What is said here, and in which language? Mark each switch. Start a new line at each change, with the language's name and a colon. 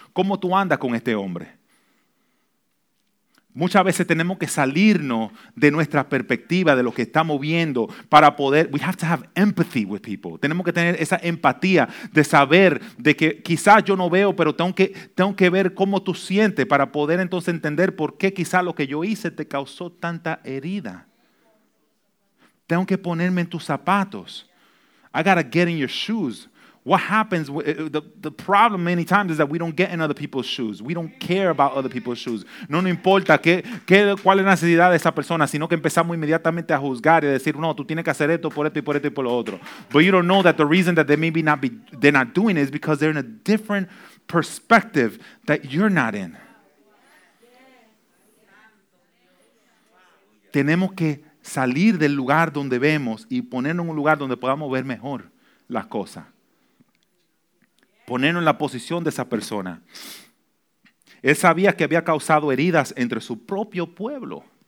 Spanish: ¿Cómo tú andas con este hombre? Muchas veces tenemos que salirnos de nuestra perspectiva, de lo que estamos viendo, para poder,
English: we have to have empathy with people.
Spanish: Tenemos que tener esa empatía de saber de que quizás yo no veo, pero tengo que ver cómo tú sientes para poder entonces entender por qué quizás lo que yo hice te causó tanta herida. Tengo que ponerme en tus zapatos.
English: I gotta get in your shoes. What happens, the problem many times is that we don't get in other people's shoes. We don't care about other people's shoes.
Spanish: No nos importa cuál es la necesidad de esa persona, sino que empezamos inmediatamente a juzgar y a decir, no, tú tienes que hacer esto por esto y por esto y por lo otro.
English: But you don't know that the reason that they maybe not be, they're not doing it is because they're in a different perspective that you're not in.
Spanish: Tenemos que salir del lugar donde vemos y ponernos en un lugar donde podamos ver mejor las cosas. Ponernos en la posición de esa persona. Él sabía que había causado heridas entre su propio pueblo.